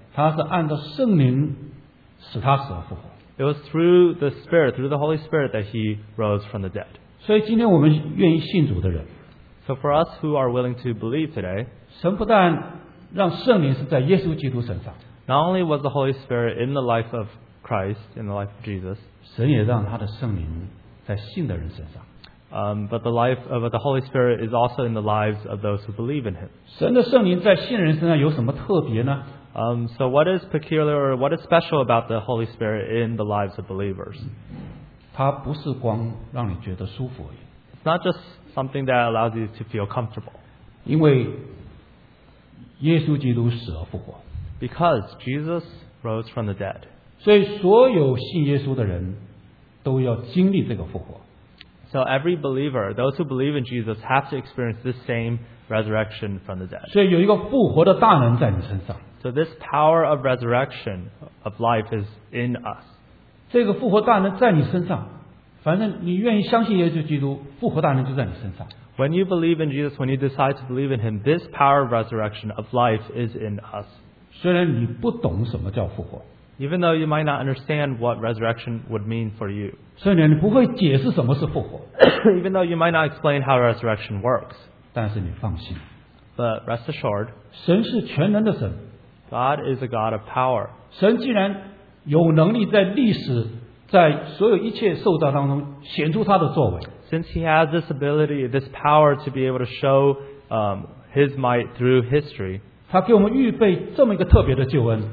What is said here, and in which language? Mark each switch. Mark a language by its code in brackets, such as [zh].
[zh] 他是按照圣灵使他死而复活。 [en] It was through the Spirit, through the Holy Spirit that he rose from the dead. [zh] 所以今天我们愿意信主的人， [en] So for us who are willing to believe today, [zh] 神不但让圣灵是在耶稣基督身上， [en] Not only was the Holy Spirit in the life of Christ, in the life of Jesus, [zh] 神也让他的圣灵在信的人身上。 [en] But the life of the Holy Spirit is also in the lives of those who believe in him. [zh] 神的圣灵在信人身上有什么特别呢？ [en] So what is peculiar or what is special about the Holy Spirit in the lives of believers? [zh] 他不是光让你觉得舒服而已。 [en] It's not just something that allows you to feel comfortable. [zh] 因为耶稣基督死而复活。 [en] Because Jesus rose from the dead. [zh] 所以所有信耶稣的人都要经历这个复活。 [en] So every believer, those who believe in Jesus, have to experience this same resurrection from the dead. [zh] 所以有一个复活的大能在你身上。 [en] So this power of resurrection of life is in us. [zh] 这个复活大能在你身上。反正你愿意相信耶稣基督，复活大能就在你身上。 [en] When you believe in Jesus, when you decide to believe in Him, this power of resurrection of life is in us. Even though you might not understand what resurrection would mean for you. Even though you might not explain how resurrection works. [zh] 但是你放心, [en] but rest assured, [zh] 神是全能的神, [en] God is a God of power. [zh] 神既然有能力在历史, 在所有一切受造当中显出他的作为, [en] since he has this ability, this power to be able to show his might through history, [zh] 他给我们预备这么一个特别的救恩,